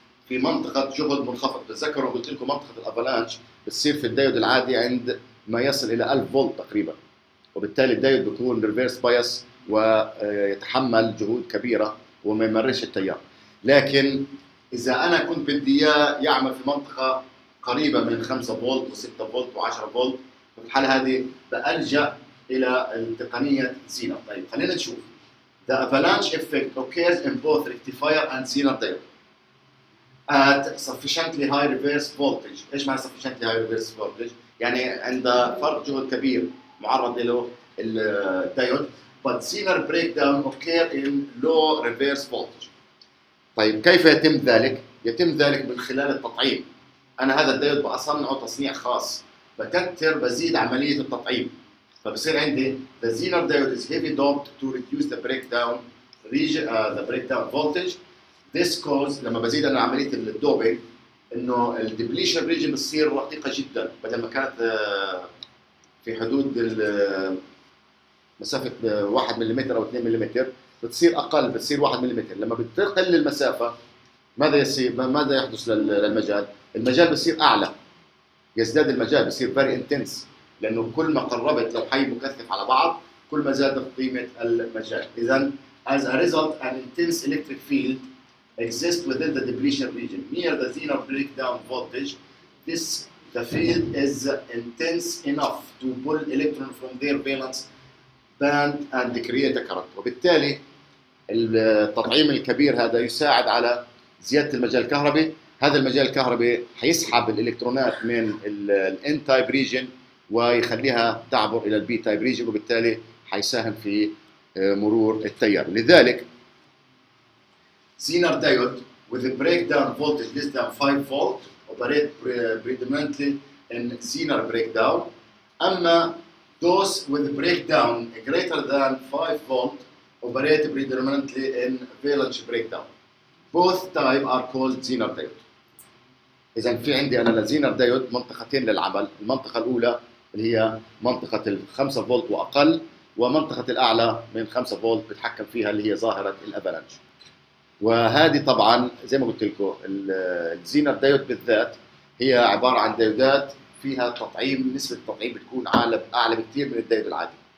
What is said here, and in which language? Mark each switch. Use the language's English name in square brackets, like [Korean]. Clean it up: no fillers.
[Arabic] في منطقه جهد منخفض. تذكروا قلت لكم منطقه الافالانش بتصير في الدايود العادي عند ما يصل الى 1000 فولت تقريبا، وبالتالي الدايود بيكون ريفرس بايس ويتحمل جهود كبيره وما يمرش التيار. لكن اذا انا كنت بدي اياه يعمل في منطقه قريبه من 5 فولت و6 فولت و10 فولت، في الحاله هذه بالجا الى التقنيه زينر. طيب خلينا نشوف [English] the avalanche effect occurs in both rectifier and zener diode at sufficiently high reverse voltage. [Arabic] ايش معنى [English] sufficiently high reverse voltage؟ [Arabic] يعني عند فرق جهد كبير معرض له الدايود. [English] but zener breakdown occurs in low reverse voltage. [Arabic] طيب كيف يتم ذلك؟ يتم ذلك من خلال التطعيم. انا هذا الدايود بصنعه تصنيع خاص، بكتر بزيد عمليه التطعيم، فبصير عندي [English] the zener diode is heavy doped to reduce the breakdown region, the breakdown voltage. this cause [Arabic] لما بزيد انا عمليه الدوبينج انه الديبليشن ريجن بتصير رقيقه جدا، بدل ما كانت في حدود مسافه 1 ملم او 2 ملم بتصير اقل، بتصير 1 ملم. لما بتقل المسافه ماذا يصير؟ ماذا يحدث للمجال؟ المجال بصير اعلى، يزداد المجال، بصير [English] very intense، [Arabic] لانه كل ما قربت لوحي مكثف على بعض كل ما زادت قيمه المجال. اذا [English] as a result an intense electric field exists within the depletion region near the zener breakdown voltage. this the field is intense enough to pull electrons from their valence band and create a current. [Arabic] وبالتالي التطعيم الكبير هذا يساعد على زياده المجال الكهربي. هذا المجال الكهربي حيسحب الالكترونات من الان تايب ريجن ويخليها تعبر الى البي تايب ريجن، وبالتالي حيساهم في مرور التيار. لذلك زينر دايود [English] with a breakdown voltage less than 5 volt operate predominantly in zener breakdown. [Arabic] اما [English] those with breakdown greater than 5 volt operate predominantly in valence breakdown. both type are called zener diode. [Arabic] اذا في عندي انا للزينر دايود منطقتين للعمل، المنطقه الاولى هي منطقة ال 5 فولت وأقل، ومنطقة الأعلى من 5 فولت بتحكم فيها اللي هي ظاهرة الأفالانش. وهذه طبعا زي ما قلت لكم الزينر دايود بالذات هي عبارة عن دايودات فيها تطعيم، نسبة التطعيم بتكون أعلى بكثير من الدايود العادي.